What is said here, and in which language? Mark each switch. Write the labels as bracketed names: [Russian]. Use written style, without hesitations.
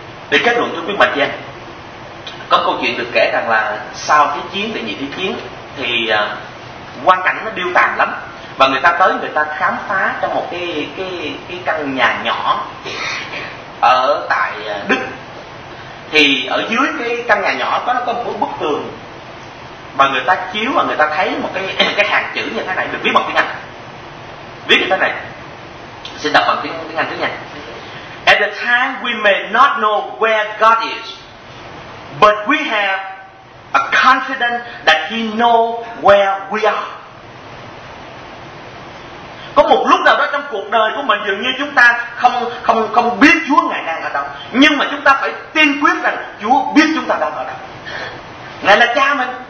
[Vietnamese] Để kết luận thưa quý bạch danh, có câu chuyện được kể rằng là sau thế chiến, đệ nhị thế chiến, thì quan cảnh nó điêu tàn lắm, và người ta tới, người ta khám phá trong một cái căn nhà nhỏ ở tại Đức. Thì ở dưới cái căn nhà nhỏ đó, nó có một bức tường mà người ta chiếu và người ta thấy một cái hàng chữ như thế này, được viết bằng tiếng Anh, viết như thế này, xin đọc bằng tiếng Anh trước nha. [English] At the time we may not know where God is, but we have a confidence that He knows where we are. [Vietnamese] Có một lúc nào đó trong cuộc đời của mình, dường như chúng ta không biết Chúa Ngài đang ở đâu, nhưng mà chúng ta phải tin quyết rằng Chúa biết chúng ta đang ở đâu. Ngài là cha mình.